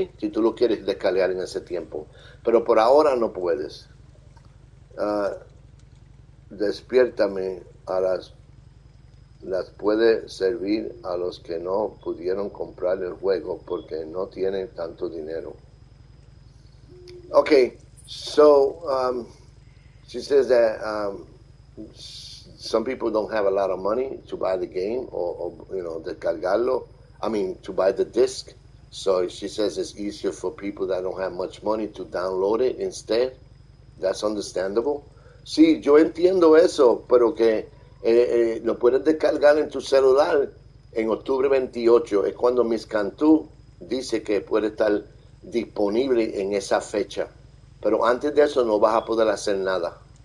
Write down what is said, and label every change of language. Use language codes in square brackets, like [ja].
[es] Si tú lo quieres descargar en ese tiempo. Pero por ahora no puedes. Despiértame a las puede servir a los que no pudieron comprar el juego porque no tienen tanto dinero. [en] Okay, so she says that some people don't have a lot of money to buy the game or you know, descargarlo. I mean, to buy the disc. So she says it's easier for people that don't have much money to download it instead. That's understandable. [es] Sí, yo entiendo eso, pero que lo puedes descargar en tu celular en octubre 28. Es cuando Miss Cantú dice que puede estar disponible en esa fecha. Pero antes de eso no vas a poder hacer nada.